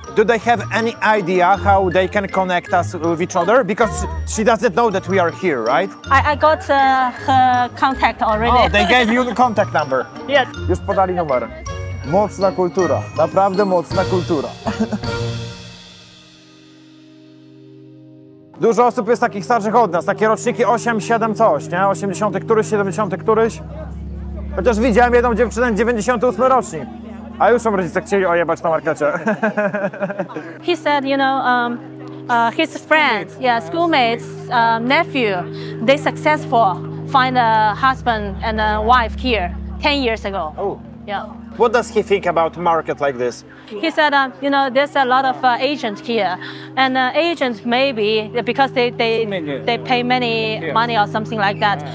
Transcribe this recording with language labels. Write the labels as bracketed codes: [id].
[en] Do they have any idea how they can connect us with each other? Because she doesn't know that we are here, right? I got her contact already. Oh, they gave you the contact number. Yes. [pl] Już podali numer. Mocna kultura. Naprawdę mocna kultura. Dużo osób jest takich starszych od nas. Takie roczniki 8, 7 coś, nie? 80 któryś, 70 któryś. Chociaż widziałem jedną dziewczynę 98 rocznik. A już są rodzice chcieli ojebać na markecie. [en] He said, you know, his friends, yeah, schoolmates, nephew, they successful find a husband and a wife here 10 years ago. Oh. Yeah. What does he think about market like this? He said, you know, there's a lot of agents here. And agents maybe, because they pay many money or something like that.